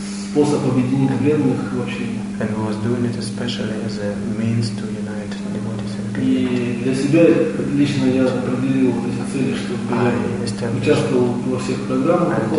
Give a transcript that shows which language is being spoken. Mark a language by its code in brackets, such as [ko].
[ru] Способ объединить преданных вообще. [en] And was doing it especially as a means to unite devotees and [ru] community. И для себя лично я определил эти цели, чтобы участвовал во всех программах.